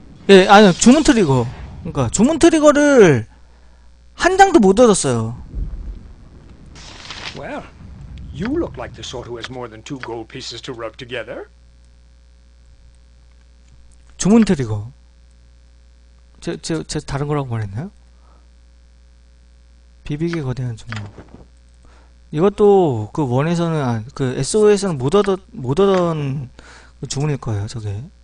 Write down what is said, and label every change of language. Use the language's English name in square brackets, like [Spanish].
[Korean] 예, 아니 주문 트리거. 그러니까 주문 트리거를 한 장도 못 얻었어요. [English] Well, you look like the sort who has more than two gold pieces to rub together. [Korean] 주문 트리거. 저 다른 거라고 말했나요? 비비기 거대한 주문. 이것도 그 원에서는 아, 그 SO에서는 못 얻은 그 주문일 거예요, 저게.